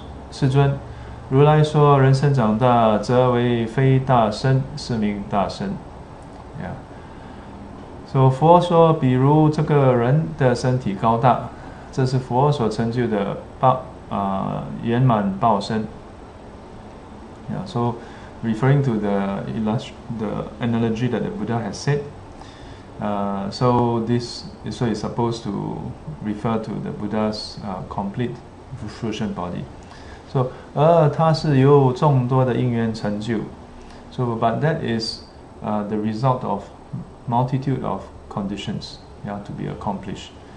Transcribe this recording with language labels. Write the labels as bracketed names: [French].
[Chinese] 世尊如来说，人生长大则为非大身，是名大身。 So 佛说，比如这个人的身体高大，这是佛所成就的圆满报身。 [English] So referring to the analogy that the Buddha has said, so it's supposed to refer to the Buddha's complete fruition body. [Chinese] So 而它是由众多的因缘成就。 [English] So but that is the result of multitude of conditions, to be accomplished.